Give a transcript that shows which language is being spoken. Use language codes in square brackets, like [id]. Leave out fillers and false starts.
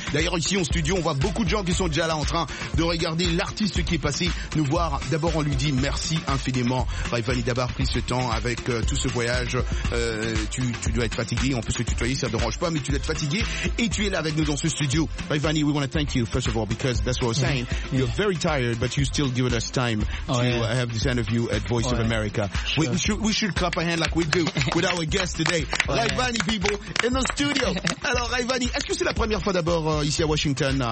[fr] D'ailleurs ici en studio, on voit beaucoup de gens qui sont déjà là en train de regarder l'artiste qui est passé nous voir. D'abord, on lui dit merci infiniment, Raivani, d'avoir pris ce temps avec tout ce voyage. Tu dois être fatigué. En plus, que tu te voyais, ça ne dérange pas, mais tu dois être fatigué. Et tu es là avec nous dans ce studio. [en] Raivani, we want to thank you, first of all, because that's what I was saying. You're very tired, but you still giving us time to have this interview at Voice of America. Sure. We should clap our hand like we do with our guest today. Raivani, people, in the studio. [fr] Alors, Raivani, est-ce que c'est la première fois d'abord ici à Washington?